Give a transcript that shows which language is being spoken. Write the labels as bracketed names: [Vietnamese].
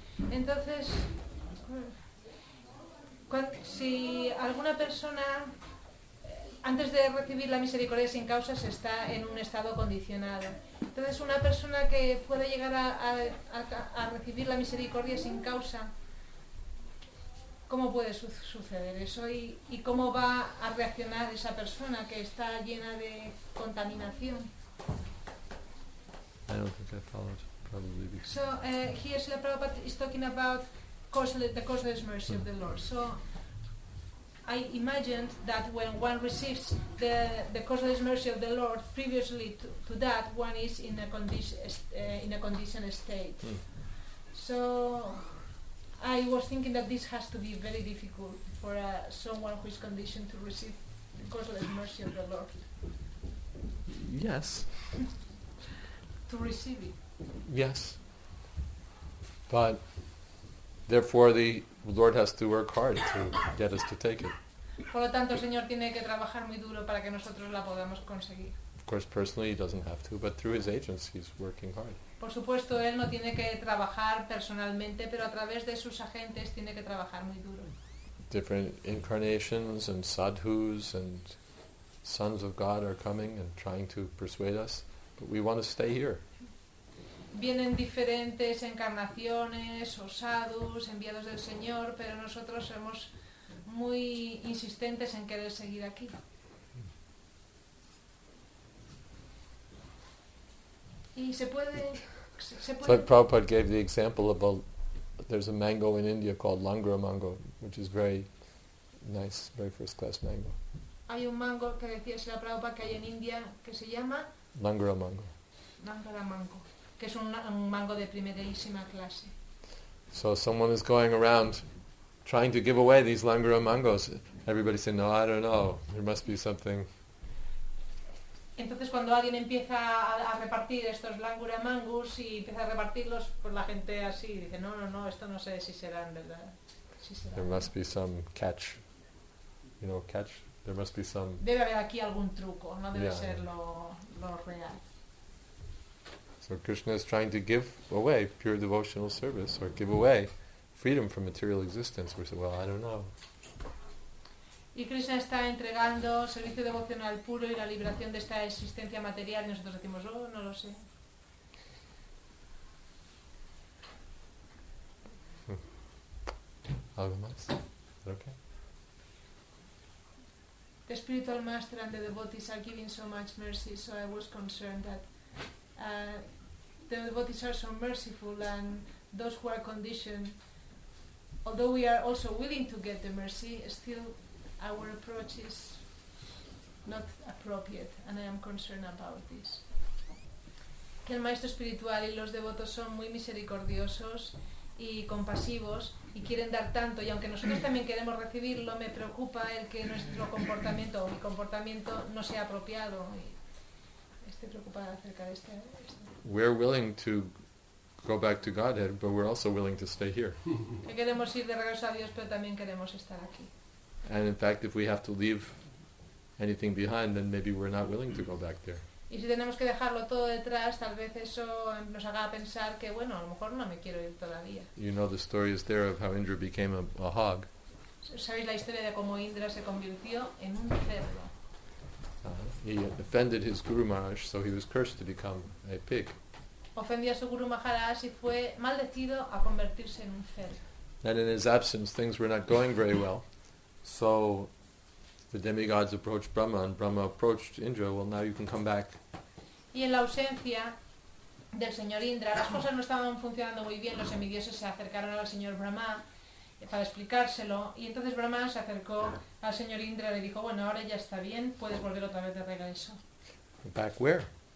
[Spanish] Entonces, si alguna persona antes de recibir la misericordia sin causa se está en un estado condicionado, entonces una persona que puede llegar a recibir la misericordia sin causa, ¿cómo puede suceder eso? ¿Y cómo va a reaccionar esa persona que está llena de contaminación? [English] I don't think I followed, probably because... So, here Srila Prabhupada is talking about the causeless mercy of the Lord. So, I imagined that when one receives the causeless mercy of the Lord, previously to that, one is in a conditioned state. So, I was thinking that this has to be very difficult for someone who is conditioned to receive the causeless mercy of the Lord. Yes. To receive it. Yes. But therefore the Lord has to work hard to get us to take it. [Spanish] Por lo tanto, el Señor tiene que trabajar muy duro para que nosotros la podamos conseguir. [English] Of course, personally he doesn't have to, but through his agents he's working hard. [Spanish] Por supuesto, él no tiene que trabajar personalmente, pero a través de sus agentes tiene que trabajar muy duro. [English] Different incarnations and sadhus and sons of God are coming and trying to persuade us, but we want to stay here. [Spanish] Vienen diferentes encarnaciones o sadhus enviados del Señor, pero nosotros somos muy insistentes en querer seguir aquí. [English] So Prabhupada gave the example of there's a mango in India called Langra mango, which is very nice, very first class mango. [Spanish] Hay un mango que decía Srila Prabhupada que hay en India que se llama [English] Langra mango. [Spanish] Langra mango, que es un mango de primerísima clase. [English] So someone is going around trying to give away these Langra mangos. Everybody says, "No, I don't know. There must be something." [Spanish] Entonces cuando alguien empieza a repartir estos langura mangus y empieza a repartirlos, pues la gente así dice, no, esto no sé si serán, ¿verdad? [English] There must be some catch. You know, catch? There must be some... [Spanish] Debe haber aquí algún truco, no debe ser lo real. [English] So Krishna is trying to give away pure devotional service, or give away freedom from material existence. We say, well, I don't know. [Spanish] Y Krishna está entregando servicio devocional puro y la liberación de esta existencia material y nosotros decimos, oh, no lo sé. ¿Algo más? Okay. [English] The spiritual master and the devotees are giving so much mercy, so I was concerned that the devotees are so merciful and those who are conditioned, although we are also willing to get the mercy, still our approach is not appropriate, and I am concerned about this. [Spanish] Que el maestro espiritual y los devotos son muy misericordiosos y compasivos y quieren dar tanto, y aunque nosotros también queremos recibirlo, me preocupa el que nuestro comportamiento o mi comportamiento no sea apropiado. Y estoy preocupada acerca de este. [English] We're willing to go back to Godhead, but we're also willing to stay here. [Spanish] Que queremos ir de regreso a Dios, pero también queremos estar aquí. [English] And in fact, if we have to leave anything behind, then maybe we're not willing to go back there. [Spanish] Y si tenemos que dejarlo todo detrás, tal vez eso nos haga pensar que, bueno, a lo mejor no me quiero ir todavía. [English] You know the story is there of how Indra became a hog. [Spanish] ¿Sabéis la historia de cómo Indra se convirtió en un cerdo? [English] He offended his Guru Maharaj, so he was cursed to become a pig. [Spanish] Ofendió a su Guru Maharaj y fue maldecido a convertirse en un cerdo. [English] And in his absence, things were not going very well. So the demigods approached Brahma, and Brahma approached Indra. Well, now you can come back. [Spanish] Y en la ausencia del señor Indra, las cosas no estaban funcionando muy bien. Los semidioses se acercaron al señor Brahma para explicárselo, y entonces Brahma se acercó al señor Indra y le dijo, bueno, ahora ya está bien, puedes volver otra vez de regreso. [English] Back where?